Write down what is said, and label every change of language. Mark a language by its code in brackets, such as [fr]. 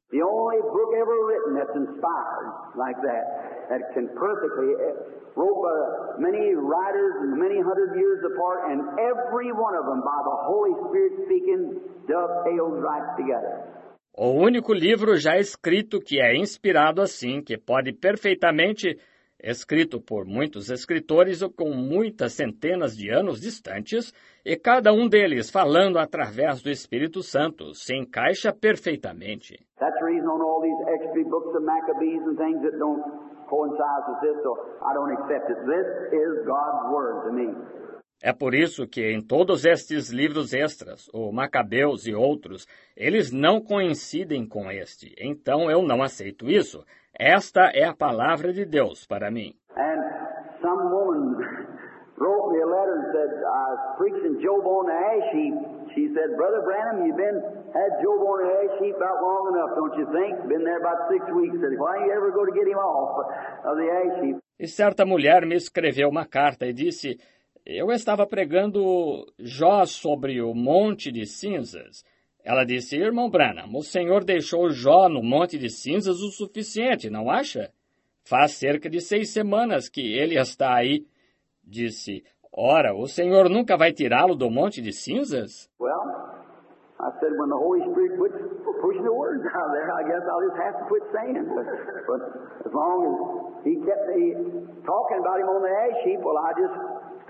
[en] The only book ever written that's inspired like that, that can perfectly, wrote by many writers many hundred years apart, and every one of them by the Holy Spirit speaking, dovetails right together. [pt] O único livro já escrito que é inspirado assim, que pode perfeitamente escrito por muitos escritores ou com muitas centenas de anos distantes, e cada um deles falando através do Espírito Santo, se encaixa perfeitamente. [en] That's the reason on all these extra books of Maccabees and things that don't coincides with this, so I don't accept it. This is God's word to me. [pt] É por isso que em todos estes livros extras, o Macabeus e outros, eles não coincidem com este. Então eu não aceito isso. Esta é a palavra de Deus para mim. [en] And some woman wrote me a letter and said, I was preaching Job on the ash heap. She said, Brother Branham, you've been had Job on the ash heap about long enough, don't you think? Been there about 6 weeks. Said, why are you ever going to get him off of the ash heap? [pt] E certa mulher me escreveu uma carta e disse, eu estava pregando Jó sobre o monte de cinzas. Ela disse, irmão Branham, o senhor deixou Jó no monte de cinzas o suficiente, não acha? Faz cerca de 6 semanas que ele está aí. Disse, ora, o senhor nunca vai tirá-lo do monte de cinzas? [en] Well, I said, when the Holy Spirit quit pushing the words out there, I guess I'll just have to quit saying. But as long as he kept me talking about him on the ash heap, well, I just...